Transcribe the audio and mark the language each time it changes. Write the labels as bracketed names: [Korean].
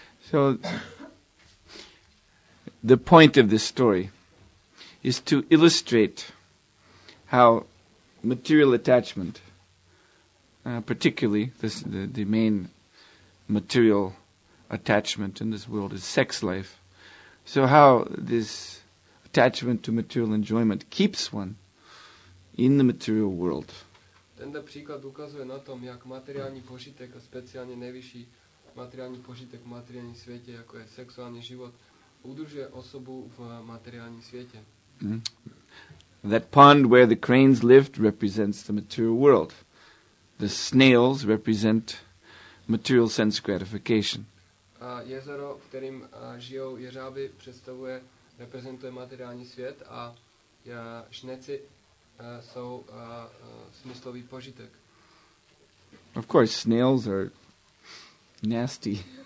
[English] So, the point of this story is to illustrate how material attachment, particularly this, the main material attachment in this world is sex life. So how this attachment to material enjoyment keeps one in the material world. [Czech] Tento příklad ukazuje na tom, jak materiální požitek a speciálně nejvyšší materiální požitek v materiálním světě, jako je sexuální život, udržuje osobu v materiálním světě. [English] That pond where the cranes lived represents the material world. The snails represent material sense gratification. [Czech] A jezero, v kterém žijou jeřáby, představuje, reprezentuje materiální svět a šneci jsou smyslový požitek. [English] Of course, snails are nasty.